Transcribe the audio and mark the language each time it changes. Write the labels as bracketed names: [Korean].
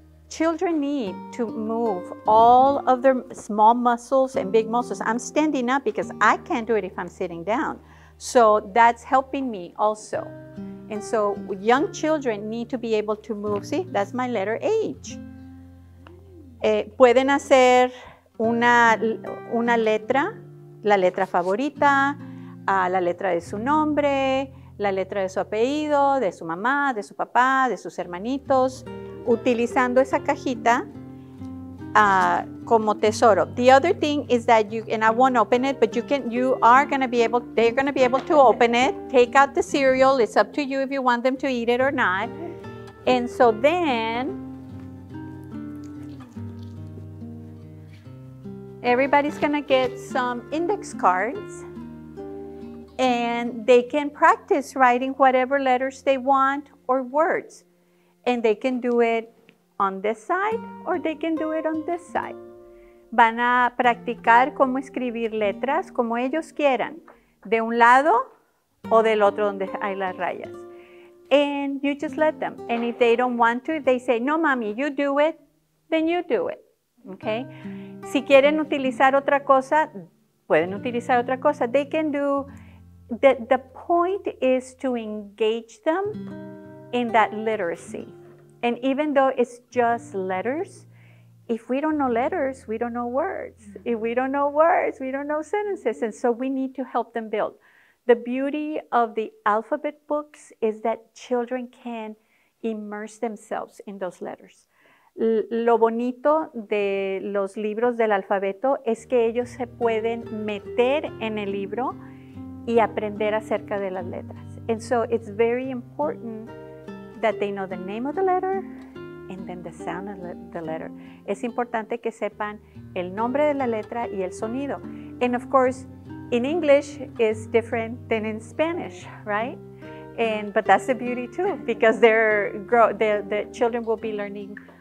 [English] Children need to move all of their small muscles and big muscles. I'm standing up because I can't do it if I'm sitting down. So that's helping me also. And so young children need to be able to move. See, that's my letter H. [Spanish] Pueden hacer una letra, la letra favorita, la letra de su nombre, la letra de su apellido, de su mamá, de su papá, de sus hermanitos, utilizando esa cajita como tesoro. [English] The other thing is that you, and I won't open it, but they're gonna be able to open it, take out the cereal, it's up to you if you want them to eat it or not. And so then, everybody's gonna get some index cards. And they can practice writing whatever letters they want or words. And they can do it on this side or they can do it on this side. [Spanish] Van a practicar cómo escribir letras como ellos quieran, de un lado o del otro donde hay las rayas. [English] And you just let them. And if they don't want to, if they say, no, mommy, you do it, then you do it. Okay? [Spanish] Si quieren utilizar otra cosa, pueden utilizar otra cosa. [English] They can do. The point is to engage them in that literacy. And even though it's just letters, if we don't know letters, we don't know words. If we don't know words, we don't know sentences. And so we need to help them build. The beauty of the alphabet books is that children can immerse themselves in those letters. [Spanish] Lo bonito de los libros del alfabeto es que ellos se pueden meter en el libro y aprender acerca de las letras. [English] And so it's very important that they know the name of the letter and then the sound of the letter. [Spanish] Es importante que sepan el nombre de la letra y el sonido. [English] And of course, in English is different than in Spanish, right? And but that's the beauty too, because the children will be learning.